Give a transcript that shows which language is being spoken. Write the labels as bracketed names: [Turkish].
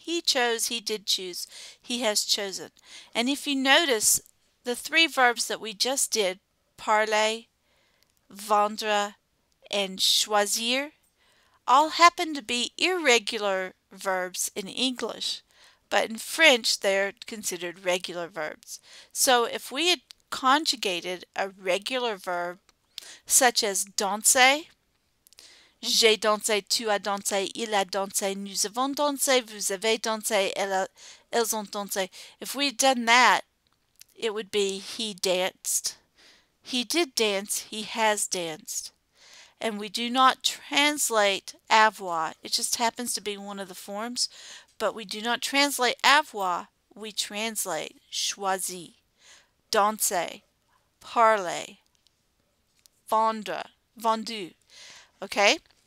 [English] He chose, he did choose, he has chosen. And if you notice, the three verbs that we just did, parler, vendre, and choisir, all happen to be irregular verbs in English. But in French, they're considered regular verbs. So if we had conjugated a regular verb, such as [French] danser, j'ai dansé, tu as dansé, il a dansé, nous avons dansé, vous avez dansé, elles ont dansé. [English] If we had done that, it would be he danced. He did dance, he has danced. And we do not translate avoir. It just happens to be one of the forms. But we do not translate avoir, we translate choisi, dansé, parler, vendre, vendu. Okay?